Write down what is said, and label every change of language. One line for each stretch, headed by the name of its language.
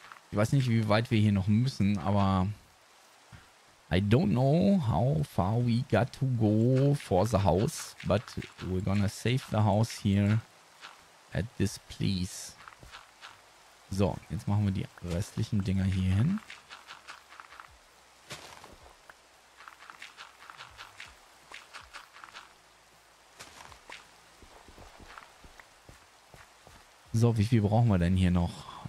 German: Ich weiß nicht, wie weit wir hier noch müssen, aber...
English: I don't know how far we got to go for the house, but we're gonna save the house here at this place.
German: So, jetzt machen wir die restlichen Dinger hier hin. So, wie viel brauchen wir denn hier noch?